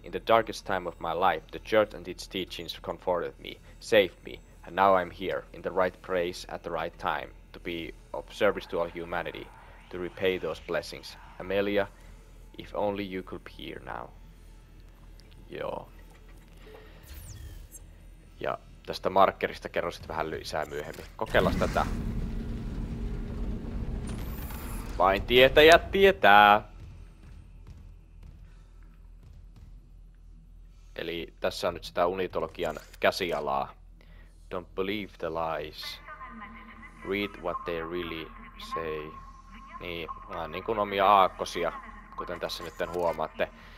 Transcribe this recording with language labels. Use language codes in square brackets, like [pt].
[en] In the darkest time of my life, the Church and its teachings comforted me, saved me. And now I'm here, in the right place, at the right time, to be of service to all humanity, to repay those blessings. Amelia, if only you could be here now. [fi] Joo. Ja tästä markerista kerron sitten vähän lisää myöhemmin. Kokeillaan tätä. Vain tietäjät tietää! Eli tässä on nyt sitä unitologian käsialaa. [en] Don't believe the lies. Read what they really say. [fi] Niin, vaan niin kuin omia aakkosia, kuten tässä nyt huomaatte.